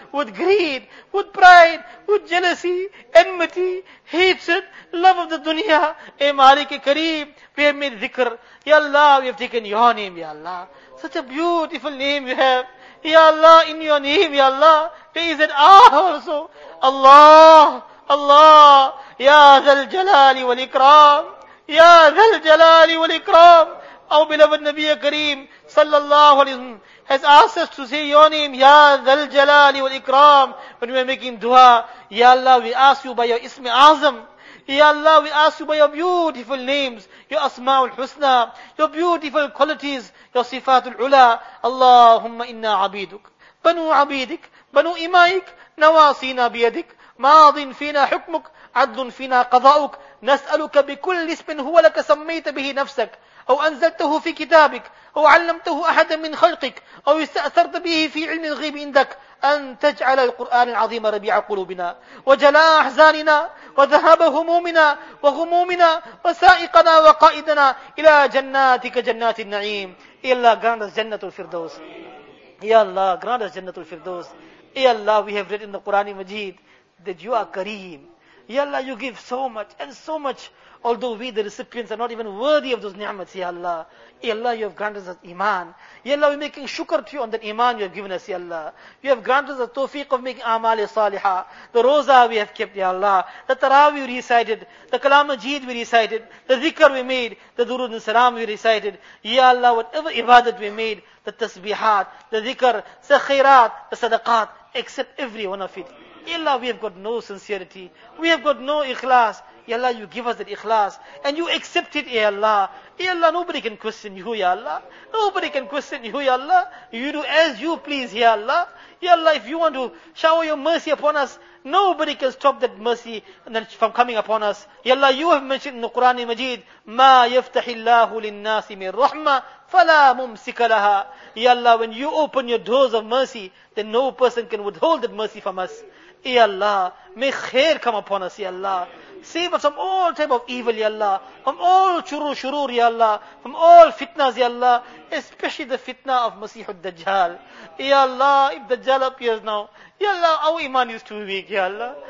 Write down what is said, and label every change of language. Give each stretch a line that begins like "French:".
English: With greed, with pride, with jealousy, enmity, hatred, love of the dunya. Ey Malik Kareem, we have made dhikr. Ya Allah, we have taken your name, ya Allah. Such a beautiful name you have. Ya Allah, in your name, ya Allah, there is an ah also. Allah,
Arabic: الله يا ذا الجلال والإكرام، يا ذا الجلال والإكرام.
English: Our beloved Nabi Kareem sallallahu alayhi wa sallam has asked us to say your name, Ya Dhal Jalali wal Ikram, when we are making dua. Ya Allah, we ask you by your Ismi Azam. Ya Allah, we ask you by your beautiful names, your Asma'ul Husna, your beautiful qualities, your Sifatul Ula.
Arabic: Allahumma inna abiduk, banu abidik, banu imaik, nawasina biyadik, maadin fina hukmuk, adlun fina qadauk, nas'aluka bi kulli ismin huwa laka sammayta bihi nafsak. أو أنزلته في كتابك أو علمته أحدا من خلقك أو استأثرت به في علم الغيب عندك أن تجعل القرآن العظيم ربيع قلوبنا وجلاء أحزاننا وذهاب همومنا وغمومنا وسائقنا وقائدنا إلى جناتك جنات النعيم. يا الله
English: grant us
Arabic: جنة الفردوس. يا الله grant us جنة الفردوس.
English: يا الله we have read in the Quran Majid that you are Kareem. يا الله you give so much and so much. Although we, the recipients, are not even worthy of those ni'mats, Ya Allah. Ya Allah, you have granted us iman. Ya Allah, we're making shukr to you on that iman you have given us, Ya Allah. You have granted us the tawfiq of making amal saliha. The roza we have kept, Ya Allah. The tarawih we recited. The kalam ajeed we recited. The dhikr we made. The durud and salam we recited. Ya Allah, whatever ibadat we made, the tasbihat, the dhikr, the khairat, the sadaqat, accept every one of it. Ya Allah, we have got no sincerity. We have got no ikhlas. Ya Allah, you give us that ikhlas and you accept it, Ya Allah. Ya Allah, nobody can question you, Ya Allah. Nobody can question you, Ya Allah. You do as you please, Ya Allah. Ya Allah, if you want to shower your mercy upon us, nobody can stop that mercy from coming upon us. Ya Allah, you have mentioned in the Quran Majid,
Arabic: مَا يَفْتَحِ اللَّهُ لِلنَّاسِ مِنْ رَحْمَةِ فَلَا مُمْسِكَ لَهَا.
English: Ya Allah, when you open your doors of mercy, then no person can withhold that mercy from us. Ya Allah, may khair come upon us, Ya Allah. Save us from all type of evil, Ya Allah. From all churu shurur, Ya Allah. From all fitnas, Ya Allah. Especially the fitna of Masihud Dajjal. Ya Allah, if Dajjal appears now, Ya Allah, our iman is too weak, Ya Allah.